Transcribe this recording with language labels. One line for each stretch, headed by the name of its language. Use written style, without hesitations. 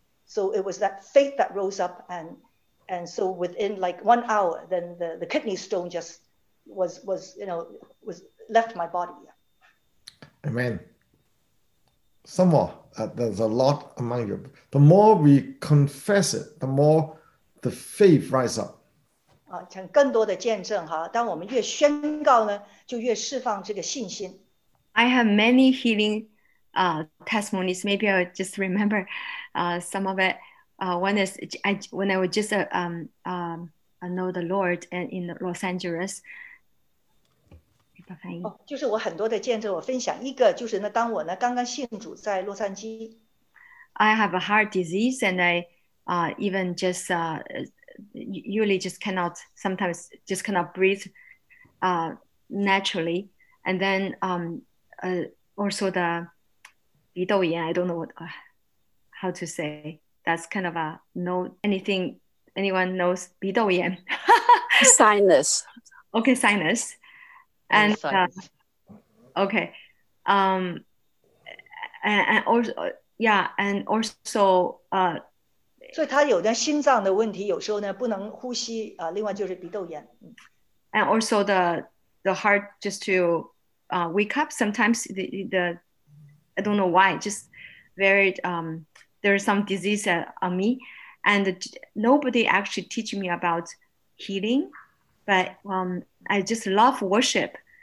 English: So it was that faith that rose up. And so within like 1 hour, then the kidney stone just was left my body. Amen. Some more. There's a lot among you. The more we confess it, the more the faith rises up.
Chinese: 成更多的见证哈。当我们越宣告呢，就越释放这个信心。
English: I have many healing testimonies. Maybe I'll just remember some of it. One is when I was just know the Lord in Los Angeles.
Chinese: 就是我很多的见证，我分享一个，就是呢，当我呢刚刚信主在洛杉矶。
English: I have a heart disease, and I, even just, usually just cannot, sometimes just cannot breathe, naturally. And then, also the 鼻窦炎 I don't know how to say. That's kind of a no. Anything anyone knows 鼻窦炎 Sinus. Okay, sinus. And okay, and also and also
Chinese: 所以他有的心脏的问题，有时候呢不能呼吸。另外就是鼻窦炎。
English: And also the heart just to wake up sometimes the I don't know why just very there's some disease on me, and nobody actually teach me about healing, but I just love worship.